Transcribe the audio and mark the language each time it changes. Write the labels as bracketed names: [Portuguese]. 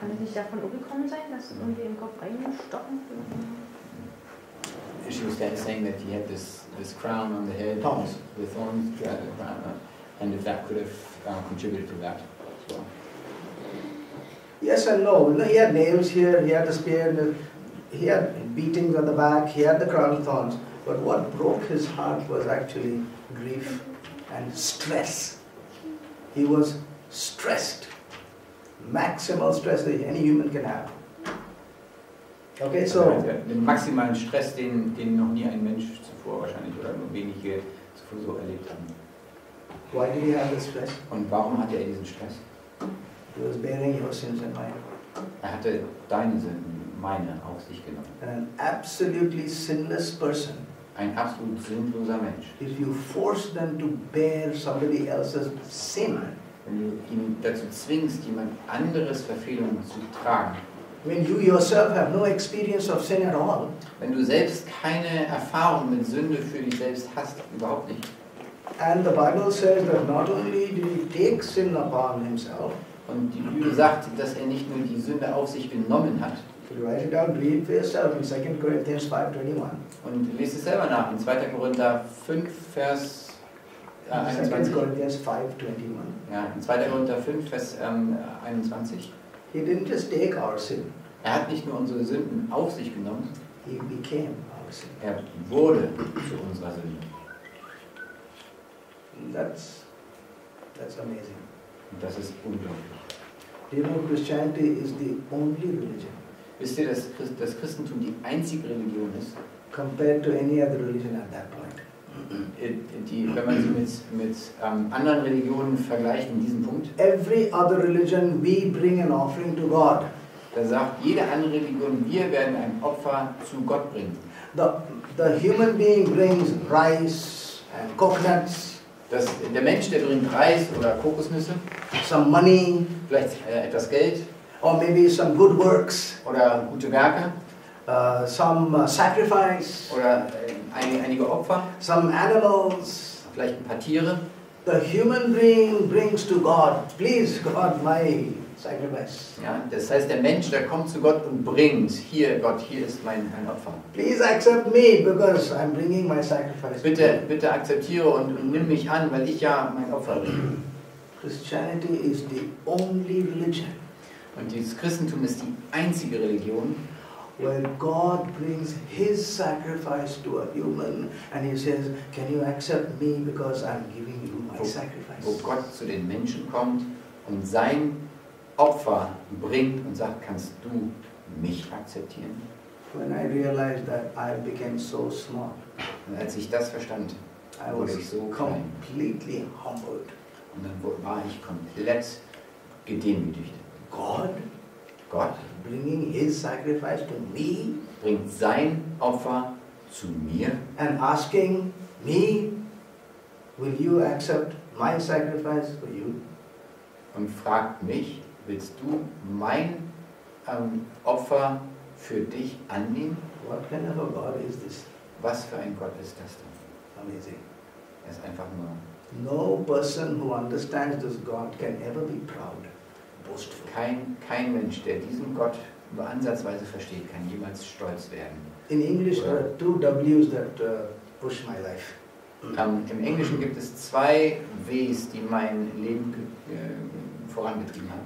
[German] Kann es nicht davon umgekommen sein, dass es irgendwie im Kopf reingestochen wird? [English] She was then saying that he had this crown on the head, thorns. The thorns, yeah, the crown, and if that could have contributed to that. Yes and no. He had nails here, he had the spear, he had beatings on the back, he had the crown of thorns. But what broke his heart was actually grief and stress. He was stressed. Maximal stress that any human can have. Okay, so. [German] Den maximalen Stress, den noch nie ein Mensch zuvor wahrscheinlich oder nur wenige zuvor so erlebt haben. [English] Why did he have the stress? [German] Und warum hatte diesen Stress? [English] He was bearing your sins and mine. [German] Er hatte deine Sünden, meine, auf sich genommen. [English] And an absolutely sinless person. [German] Ein absolut sinnloser Mensch. [English] If you force them to bear somebody else's sin. [German] Wenn du ihn dazu zwingst, jemand anderes Verfehlungen zu tragen. [English] When you yourself have no experience of sin at all. [German] Wenn du selbst keine Erfahrung mit Sünde für dich selbst hast, überhaupt nicht. [English] And the Bible says that not only did he take sin upon himself. [German] Und die Bibel sagt, dass er nicht nur die Sünde auf sich genommen hat. [English] Write it down, read for yourself in 2 Corinthians 5:21. [German] Und lest es selber nach in 2. Korinther 5, Vers 21. [English] 2 Corinthians 5:21. [German] Ja, in 2. Korinther 5, Vers 21. [English] He didn't just take our sin. [German] Er hat nicht nur unsere Sünden auf sich genommen. [English] He became our sin. [German] Er wurde zu unserer Sünde. [English] That's amazing. [German] Und das ist unglaublich. [English] Do you know Christianity is the only religion? [German] Wisst ihr, dass Christentum die einzige Religion ist? [English] Compared to any other religion at that point. [German] Wenn man sie mit anderen Religionen vergleicht in diesem Punkt. [English] Every other religion, we bring an offering to God. [German] Da sagt jede andere Religion, wir werden ein Opfer zu Gott bringen. [English] The human being brings rice and coconuts. [German] Der Mensch, der bringt Reis oder Kokosnüsse. [English] Some money. [German] Vielleicht etwas Geld. [English] Or maybe some good works. [German] Oder gute Werke. [English] Sacrifice. [German] Oder einige Opfer. [English] Some animals. [German] Vielleicht ein paar Tiere. [English] The human being brings to God, please God, my sacrifice. [German] Ja, das heißt, der Mensch, der kommt zu Gott und bringt, hier Gott, hier ist mein Opfer. [English] Please accept me, because I'm bringing my sacrifice. [German] Bitte akzeptiere und nimm mich an, weil ich ja mein Opfer bin. [English] Christianity is the only religion. [German] Und dieses Christentum ist die einzige Religion, [English] where God brings his sacrifice to a human and he says, can you accept me because I'm giving you my sacrifice? [German] Wo Gott zu den Menschen kommt und sein Opfer bringt und sagt, kannst du mich akzeptieren? [English] When I realized that I became so small. [German] Und als ich das verstand, [English] I was [German] wurde ich so [English] completely [German] klein. [English] Humbled. [German] Und dann war ich komplett gedemütigt. [English] God bringing his sacrifice to me, [German] bringt sein Opfer zu mir, [English] and asking me, will you accept my sacrifice for you? [German] Und fragt mich, willst du mein Opfer für dich annehmen? [English] What kind of a God is this? [German] Was für ein Gott ist das denn? [English] Amazing. [German] Es einfach nur. [English] No person who understands this God can ever be proud, boastful. [German] Kein Mensch, der diesen Gott nur ansatzweise versteht, kann jemals stolz werden. [English] In English there are two W's that push my life. [German] Im Englischen gibt es zwei W's, die mein Leben vorangetrieben haben.